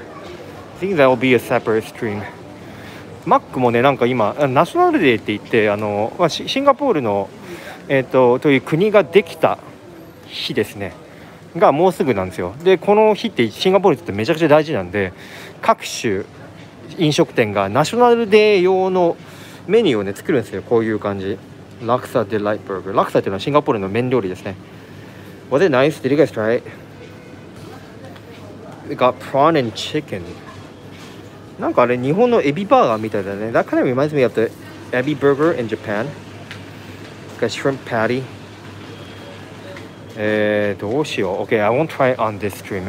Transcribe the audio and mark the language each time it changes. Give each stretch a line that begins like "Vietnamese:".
English: I think that will be a separate stream.
Japanese: マックもね、なんか今、ナショナルデーって言って、あの、まあ、シンガポールの、という国ができた日ですね。がもうすぐなんですよ。で、この日ってシンガポールってめちゃくちゃ大事なんで、各種飲食店がナショナルデー用のメニューをね、作るんですよ。こういう感じ。Laksa Delight Burger。 Laksa っていうのはシンガポールの麺料理ですね。 Was it nice?
English: Did you guys try it? We got prawn and chicken.
Japanese: なんかあれ日本のエビバーガーみたいだね。
English: That kind of reminds me of the Ebi Burger in Japan. Got shrimp patty.
Japanese: どうしよう。
English: Okay, I won't try it on this stream.